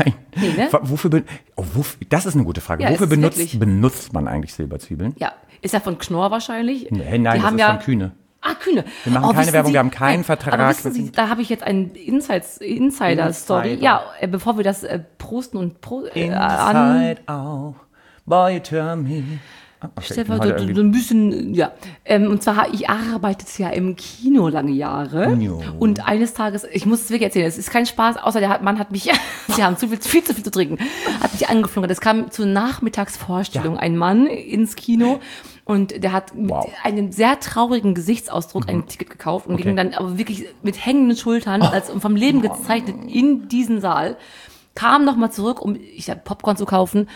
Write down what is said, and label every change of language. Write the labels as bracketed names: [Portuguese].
[German] Nein. Nee, ne? Das ist eine gute Frage. Ja, wofür benutzt man eigentlich Silberzwiebeln? Ja, ist ja von Knorr wahrscheinlich. Nein, von Kühne. Ah, Kühne. Wir machen keine Werbung, wir haben keinen Vertrag. Aber wissen Sie, da habe ich jetzt einen Insider-Story. Ja, bevor wir das prosten und [English] Inside out, boy, you turn me. [German] Okay, Stefan, so ein bisschen, ja. Und zwar, ich arbeite ja im Kino lange Jahre. Jo. Und eines Tages, ich muss es wirklich erzählen, es ist kein Spaß, außer der Mann hat mich, sie haben viel zu viel zu trinken, hat mich angeflogen. Es kam zur Nachmittagsvorstellung ein Mann ins Kino und der hat mit einem sehr traurigen Gesichtsausdruck ein Ticket gekauft und ging dann aber wirklich mit hängenden Schultern, als vom Leben gezeichnet, in diesen Saal, kam nochmal zurück, um Popcorn zu kaufen.